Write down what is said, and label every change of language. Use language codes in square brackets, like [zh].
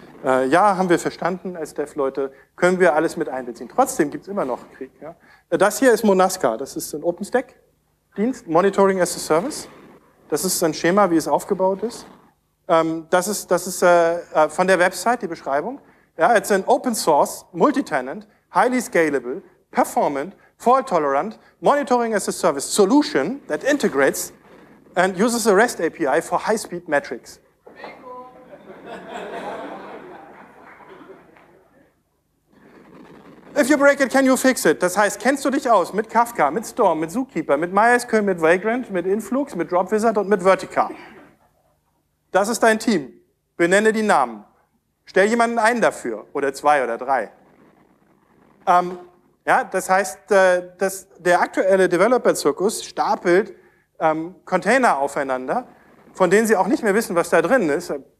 [de] Ja, haben wir verstanden als Dev-Leute, können wir alles mit einbeziehen. Trotzdem gibt es immer noch Krieg. Ja? Das hier ist Monasca, das ist ein OpenStack-Dienst, Monitoring as a Service. Das ist ein Schema, wie es aufgebaut ist. Das ist von der Website die Beschreibung. [en] Ja, it's an open source, multi-tenant, highly scalable, performant, fault-tolerant, monitoring as a service solution that integrates and uses a REST API for high-speed metrics. Bingo. If you break it, can you fix it? [de] Das heißt, kennst du dich aus mit Kafka, mit Storm, mit Zookeeper, mit MySQL, mit Vagrant, mit Influx, mit DropWizard und mit Vertica? Das ist dein Team. Benenne die Namen. Stell jemanden ein dafür. Oder zwei oder drei. Ja, das heißt, dass der aktuelle Developer-Zirkus stapelt Container aufeinander, von denen sie auch nicht mehr wissen, was da drin ist.